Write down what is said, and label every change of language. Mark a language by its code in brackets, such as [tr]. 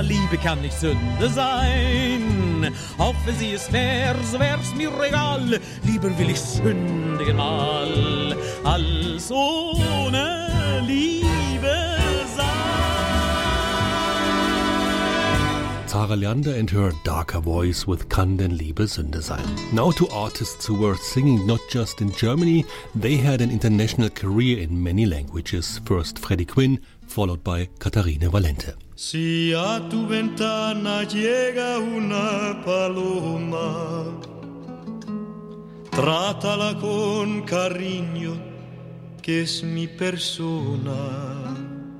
[de] Liebe kann nicht Sünde sein. Auch wenn sie es wäre, so wär's mir egal. Lieber will ich sündigen mal, als ohne Liebe sein. [en] Zara Leander and her darker voice with Kann denn Liebe Sünde sein? Now to artists who were singing not just in Germany, they had an international career in many languages. First Freddie Quinn, followed by Catarina Valente. [es] Si a tu ventana llega una paloma, trátala con cariño, que es mi persona.